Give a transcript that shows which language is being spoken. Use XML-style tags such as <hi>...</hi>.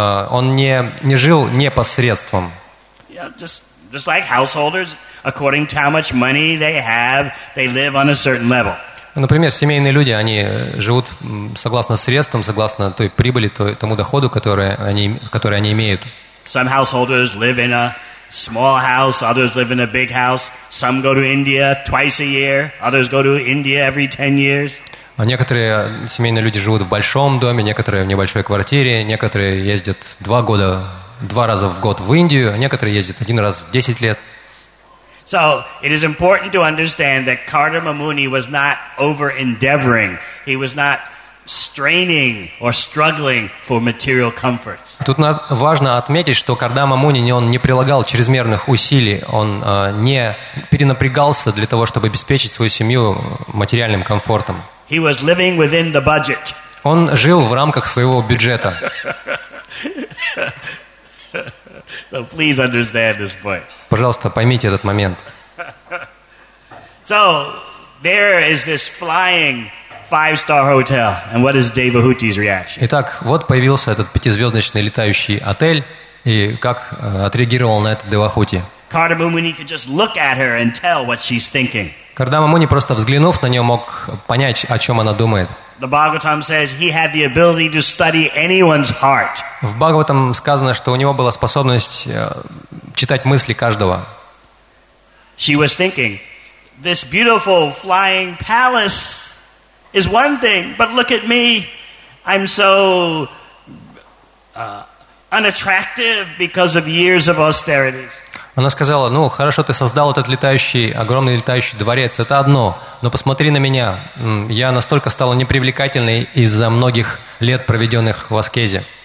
<ru>Он не жил не посредством.</ru> <en>Yeah, just like householders, according to how much money they have, they live on a certain level.</en> <ru>Например, семейные люди, они живут согласно средствам, согласно той прибыли, тому доходу, который они имеют.</ru> <en>Some householders live in a small house, others live in a big house. Some go to India twice a year, others go to India every 10 years.</en> <ru>А некоторые семейные люди живут в большом доме, некоторые в небольшой квартире, некоторые ездят два раза в год в Индию, а некоторые ездят один раз в 10 лет.</ru> <en>So, it is important to understand that Kardama Muni was not over-endeavoring. He was not straining or struggling for material comforts.</en> <ru>Тут важно отметить, что Кардама Муни не прилагал чрезмерных усилий, он не перенапрягался для того, чтобы обеспечить свою семью материальным комфортом.</ru> <en>He was living within the budget.</en> <ru>Он жил в рамках своего бюджета.</ru> <en>So please understand this point.</en> <ru>Пожалуйста, поймите этот момент.</ru> <en>So there is this flying five-star hotel, and what is Devahuti's reaction?</en> <ru>Итак, вот появился этот пятизвездочный летающий отель, и как отреагировал на это Девахути?</ru> <en>Kardama Muni could just look at her and tell what she's thinking.</en> <ru>Кардама Муни, просто взглянув на нее, мог понять, о чем она думает.</ru> <en>The Bhagavatam says he had the ability to study anyone's heart.</en> <ru>В Бхагаватам сказано, что у него была способность читать мысли каждого.</ru> <en>She was thinking, this beautiful flying palace is one thing, but look at me. I'm so unattractive because of years of austerity.</en> <ru>Она сказала: ну, хорошо, ты создал этот летающий, огромный летающий дворец, это одно, но посмотри на меня. Я настолько стала непривлекательной из-за многих лет, проведенных в аскезе.</ru>